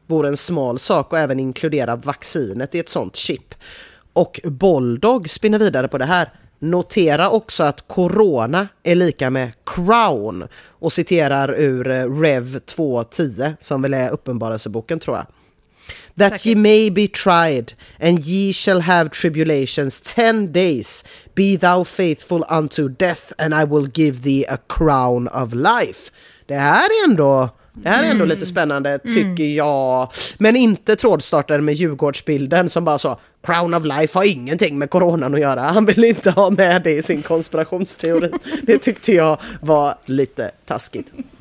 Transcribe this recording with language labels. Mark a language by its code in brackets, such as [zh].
[sv] Vore en smal sak att även inkludera vaccinet i ett sånt chip. Och Bulldog spinner vidare på det här. Notera också att corona är lika med crown och citerar ur Rev 2.10 som väl är uppenbarelseboken tror jag. [en] That ye may be tried and ye shall have tribulations 10 days. Be thou faithful unto death and I will give thee a crown of life. [sv] Det här är ändå lite spännande tycker jag. Men inte trådstartaren med Djurgårdsbilden som bara sa [en] Crown of Life [sv] har ingenting med coronan att göra. Han vill inte ha med det i sin konspirationsteori. Det tyckte jag var lite taskigt.